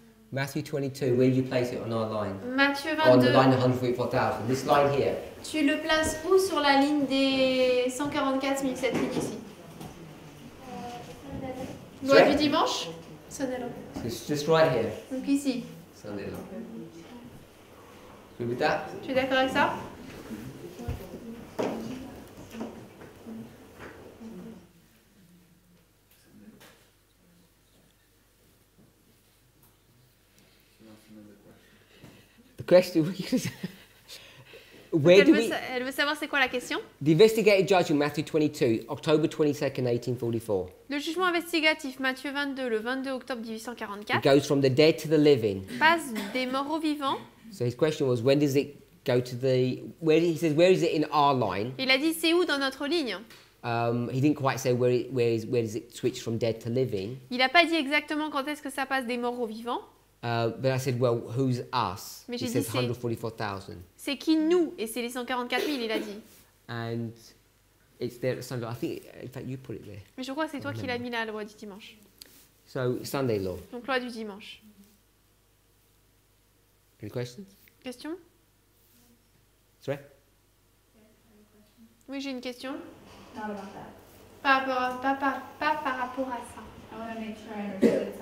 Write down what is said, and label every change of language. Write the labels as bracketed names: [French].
[English] Matthew 22, where do you place it on our line? [French] Matthieu 22. [English] On the line 144,000. This line here. [French] Tu le places où sur la ligne des 144,000, cette ligne ici? Loi du dimanche? [English] Sunday long. So it's just right here. [French] Donc ici. [English] Sunday long. With that? [French] Tu es d'accord avec ça? Question. [English] Where do we? [French] Elle veut savoir c'est quoi la question? [English] The investigative judgment, Matthew 22, October 22nd, 1844. [French] Le jugement investigatif, Matthieu 22, le 22 octobre 1844. [English] It goes from the dead to the living. [French] Passe des morts aux vivants. [English] So his question was, when does it go to the? Where he says, where is it in our line? [French] Il a dit, c'est où dans notre ligne? [English] He didn't quite say where does it switch from dead to living. [French] Il a pas dit exactement quand est-ce que ça passe des morts aux vivants. [English] But I said, well, who's us? [French] Mais [English] he [French] j'ai [English] says [French] dit, 144,000. C'est qui nous? Et c'est les 144 000, il a dit. [English] And It's there at Sunday. I think, in fact, you put it there. [French] Mais je crois que c'est toi qui l'as mis là, la loi du dimanche. [English] So, Sunday law. [French] Donc, loi du dimanche. [English] Any questions? [French] Question? [English] Sorry? [French] Oui, j'ai une question. Pas par rapport à ça.